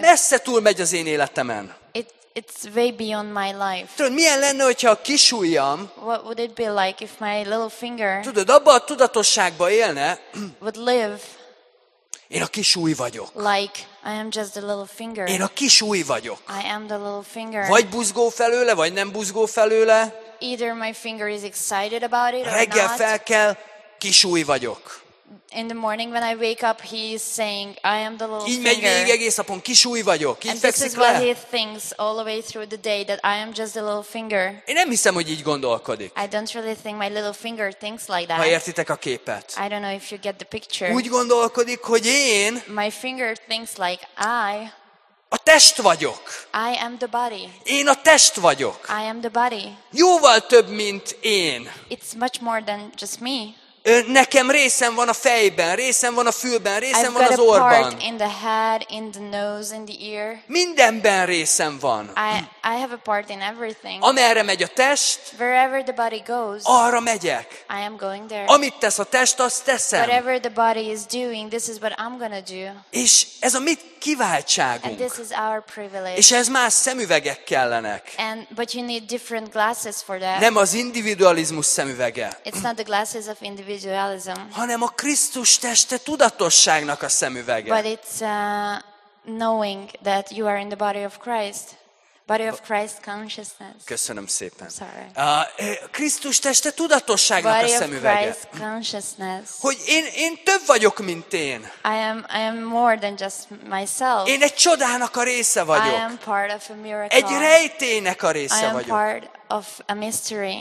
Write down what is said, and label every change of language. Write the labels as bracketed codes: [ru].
[hu] Messze túl megy az én életemen. [en] It's way beyond my life. [hu] Tudod, milyen lenne, hogyha a kis ujjam, [en] what would it be like if my little finger, [hu] tudod, abba a tudatosságba élne, [en] would live. [hu] Én a kis ujj vagyok. [en] Like I am just a little finger. [hu] Én a kis ujj vagyok. [en] I am the little finger. [hu] Vagy buzgó felőle, vagy nem buzgó felőle. [en] Either my finger is excited about it or [hu] reggel [en] not. [hu] Fel kell, kis ujj vagyok. [en] In the morning when I wake up, he is saying, I am the little [hu] finger. Így megy végig egész napon, kis ujj vagyok. [en] And this is what he thinks all the way through the day, that I am just a little finger. [hu] Én nem hiszem, hogy így gondolkodik. [en] I don't really think my little finger thinks like that. [hu] Ha értitek a képet. [en] I don't know if you get the picture. [hu] Úgy gondolkodik, hogy én. [en] My finger thinks like I. [hu] A test vagyok. [en] I am the body. [hu] Én a test vagyok. [en] I am the body. [hu] Jóval több, mint én. [en] It's much more than just me. [hu] Nekem részem van a fejben, részem van a fülben, részem [en] I've [hu] van az orrban. [en] I've got a part in the head, in the nose, in the ear. [hu] Mindenben részem van. [en] I have a part in everything. [hu] Amerre megy a test, [en] wherever the body goes, [hu] arra megyek. [en] I am going there. [hu] Amit tesz a test, azt teszem. [en] Whatever the body is doing, this is what I'm gonna do. [hu] És ez a mi kiváltságunk. [en] And this is our privilege. [hu] És ez más szemüvegek kellenek. [en] And, but you need different glasses for that. [hu] Nem az individualizmus szemüvege. [en] It's not the glasses of individualism. [hu] Hanem a Krisztus teste tudatosságnak a szemüvege. [en] But it's knowing that you are in the body of Christ. Body of Christ consciousness. [hu] Köszönöm szépen. [en] Sorry. [hu] Krisztus teste tudatosságnak [en] body [hu] a szemüvege. [en] Body of Christ consciousness. [hu] Hogy én több vagyok, mint én. [en] I am more than just myself. [hu] Én egy csodának a része vagyok. [en] I am part of a miracle. [hu] Egy rejtének a része vagyok. [en] I am part of a mystery.